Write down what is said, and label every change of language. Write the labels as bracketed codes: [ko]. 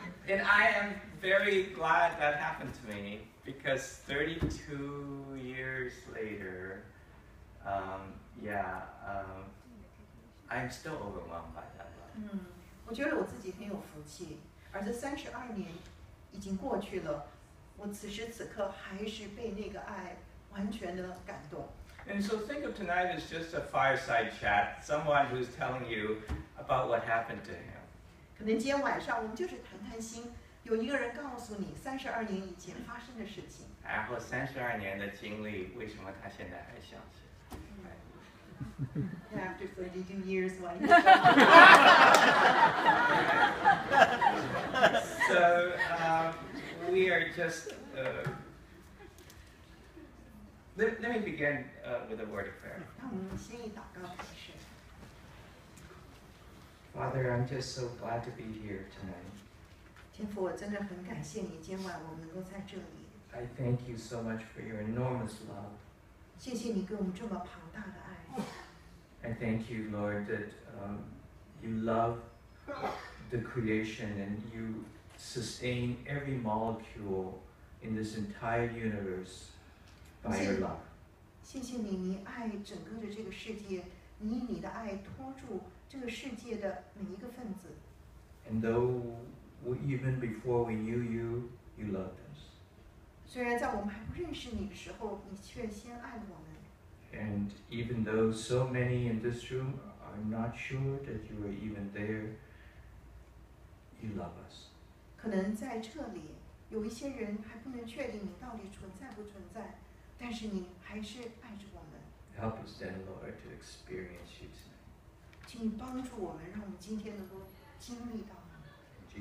[en] And I am very glad that happened to me because 32 years later, I'm still overwhelmed by that love. [zh] 我觉得我自己很有福气，而这32年已经过去了，我此时此刻还是被那个爱完全的感动。 [en] And so think of tonight as just a fireside chat, someone who's telling you about what happened to him. [zh] 可能今天晚上我们就是谈谈心，有一个人告诉你32年以前发生的事情，然后32年的经历为什么他现在还相信。 [en] After 32 years, why so we are just let me begin with a word of prayer. [zh] 那我们先以祷告开始。 [en] Father, I'm just so glad to be here tonight. [zh] 天父，我真的很感谢你，今晚我们能够在这里。 [en] I thank you so much for your enormous love. [zh] 谢谢你给我们这么庞大的爱。 [en] I thank you, Lord, that you love the creation and you sustain every molecule in this entire universe by your love. [zh] 谢谢你，你爱整个的这个世界，你以你的爱托住。这个世界的每一个分子。 [en] And though even before we knew you, you loved us. [zh] 虽然在我们还不认识你的时候，你却先爱我们。 [en] And even though so many in this room are not sure that you are even there, you love us. [zh] 可能在这里有一些人还不能确定你到底存在不存在，但是你还是爱着我们。 [en] Help us then, Lord, to experience you tonight. [zh] 请你帮助我们，让我们今天能够经历到你。